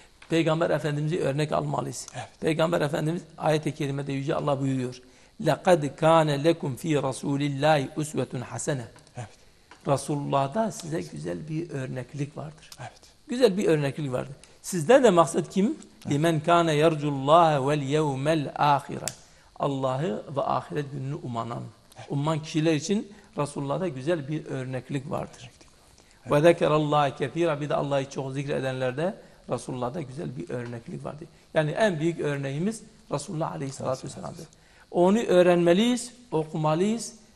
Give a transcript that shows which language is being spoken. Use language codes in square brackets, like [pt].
[tr] Peygamber Efendimiz'i örnek almalıyız. Evet. Peygamber Efendimiz ayet-i kerimede Yüce Allah buyuruyor. [ar] لَقَدْ كَانَ لَكُمْ ف۪ي رَسُولِ اللّٰهِ اُسْوَةٌ حَسَنَةٌ [tr] evet. Resulullah'da size güzel bir örneklik vardır. Evet. Güzel bir örneklik vardır. Sizden de maksat kim? [ar] لِمَنْ كَانَ يَرْجُ اللّٰهَ وَالْيَوْمَ الْآخِرَةِ [tr] Allah'ı ve ahiret gününü umanan. Evet. Umman kişiler için Resulullah'da güzel bir örneklik vardır. [ar] وَذَكَرَ اللّٰهَ كَف۪يرًا [tr] Bir de Allah'ı çok zikredenlerde Resulullah'da güzel bir örneklik vardı. Yani en büyük örneğimiz Resulullah Aleyhisselatü Vesselam'dır. Onu öğrenmeliyiz, okumalıyız.